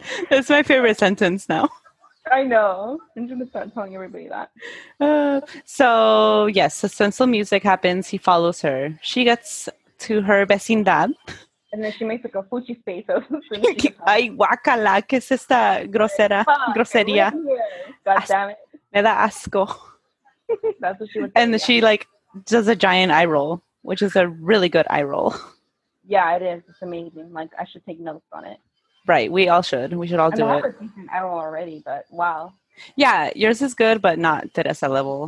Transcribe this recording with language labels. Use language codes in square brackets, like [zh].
[en] That's my favorite sentence now. I know. I'm just gonna start telling everybody that. So yes, the suspenseful music happens. He follows her. She gets to her vecindad. And then she makes like a fuchi face. [es] Ay, guacala, que es esta grosera, grosería. [en] God damn it. [es] Me da asco. [en] That's what she would say. And she like does a giant eye roll, which is a really good eye roll. Yeah, it is. It's amazing. Like, I should take notes on it. Right, we all should. We should all do it. I have a decent eye roll already, but wow. Yeah, yours is good, but not Teresa level.